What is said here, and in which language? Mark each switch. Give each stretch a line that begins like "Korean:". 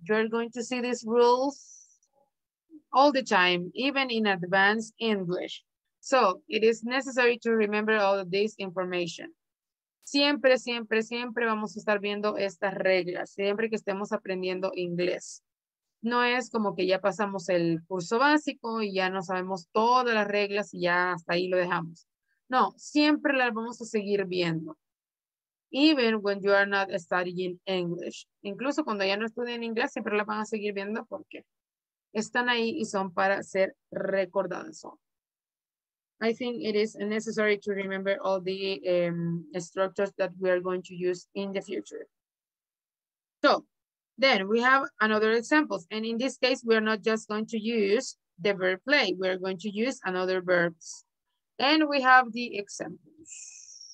English: You're going to see these rules all the time, even in advanced English. So it is necessary to remember all of this information.
Spanish: siempre, siempre, siempre vamos a estar viendo estas reglas, siempre que estemos aprendiendo inglés. No es como que ya pasamos el curso básico y ya no sabemos todas las reglas y ya hasta ahí lo dejamos. No, siempre las vamos a seguir viendo. Even when you are not studying English. Incluso cuando ya no estudian inglés, siempre las van a seguir viendo porque están ahí y son para ser recordadas.
English: I think it is necessary to remember all the structures that we are going to use in the future. So, then we have another examples. And in this case, we are not just going to use the verb play. We are going to use another verbs. And we have the examples.